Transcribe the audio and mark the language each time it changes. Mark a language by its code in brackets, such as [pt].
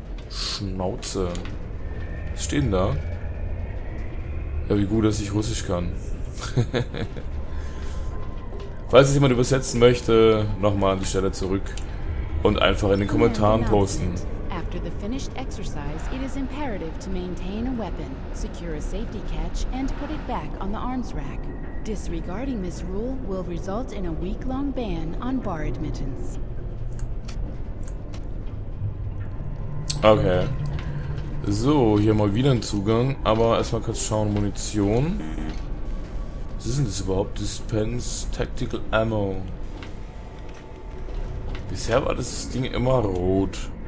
[de] Schnauze. Was steht denn da? Ja, wie gut, dass ich Russisch kann. Falls es jemand übersetzen möchte, nochmal an die Stelle zurück und einfach in den Kommentaren posten. [en] After the finished exercise, it is imperative to maintain a weapon, secure a safety catch and put it back on the arms rack. Disregarding this rule will result in a week-long ban on bar admittance. [de] Okay. So, hier mal wieder ein Zugang, aber erstmal kurz schauen, Munition. Was ist denn das überhaupt? [en] Dispense Tactical Ammo. [de] Bisher war das Ding immer rot.